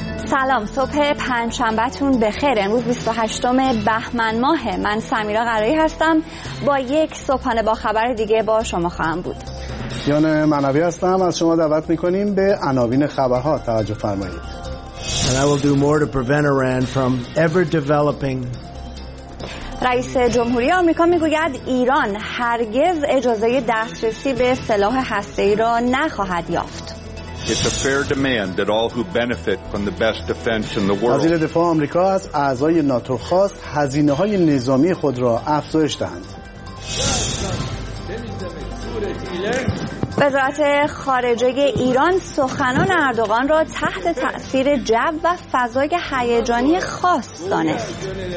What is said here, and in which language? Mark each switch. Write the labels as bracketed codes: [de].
[fa] سلام، صبح پنج شنبه‌تون بخیر. امروز 28 بهمن ماهه. من سمیرا قرایی هستم، با یک صبحانه با خبر دیگه با شما خواهم بود. یان منوی هستم، از شما دعوت می‌کنیم به عناوین خبرها توجه فرمایید. [en] And I will do more to prevent Iran from ever developing. [fa] رئیس جمهوری آمریکا میگوید ایران هرگز اجازه دسترسی به سلاح هسته‌ای را نخواهد یافت. [en] It's a fair demand that all who benefit from the best defense in the world. [fa] وزیر دفاع آمریکا از اعضای ناتو خواست هزینه‌های نظامی خود را افزایش دهند. وزارت خارجه ایران سخنان اردوغان را تحت تأثیر جو و فضای هیجانی خاص دانست.